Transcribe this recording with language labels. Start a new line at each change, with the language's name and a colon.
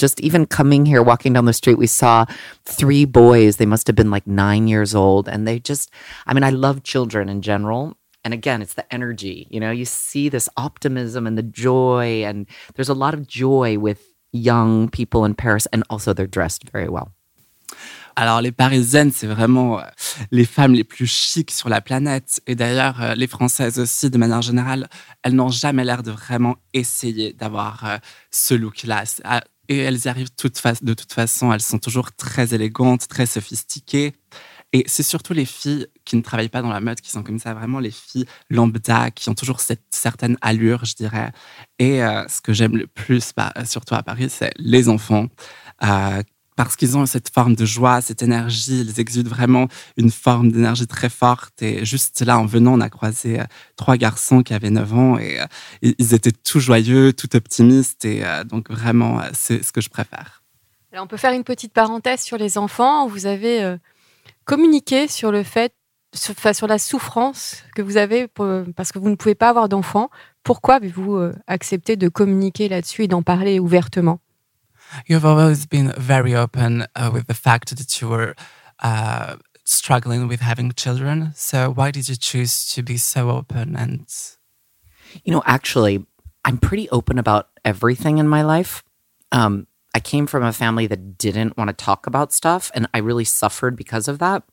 English: Just even coming here, walking down the street, we saw three boys. They must have been like 9 years old. And they just, I mean, I love children in general. And again, it's the energy. You know, you see this optimism and the joy. And there's a lot of joy with young people in Paris, and also they're dressed very well.
French: Alors, les Parisiennes, c'est vraiment les femmes les plus chics sur la planète. Et d'ailleurs, les Françaises aussi, de manière générale, elles n'ont jamais l'air de vraiment essayer d'avoir ce look-là. Et elles y arrivent de toute façon. Elles sont toujours très élégantes, très sophistiquées. Et c'est surtout les filles qui ne travaillent pas dans la mode qui sont comme ça, vraiment les filles lambda qui ont toujours cette certaine allure, je dirais. Et ce que j'aime le plus, surtout à Paris, c'est les enfants parce qu'ils ont cette forme de joie, cette énergie. Ils exudent vraiment une forme d'énergie très forte. Et juste là, en venant, on a croisé trois garçons qui avaient 9 ans. Et ils étaient tout joyeux, tout optimistes. Et donc vraiment, c'est ce que je préfère. Alors, on peut faire une petite parenthèse sur les enfants. Vous avez communiqué sur le fait, sur la souffrance que vous avez parce que vous ne pouvez pas avoir d'enfants. Pourquoi avez-vous accepté de communiquer là-dessus et d'en parler ouvertement?
English: You've always been very open with the fact that you were struggling with having children. So why did you choose to be so open? And you know, actually, I'm pretty open about everything in my life. I came from a family that didn't want to talk about stuff, and I really suffered because of that.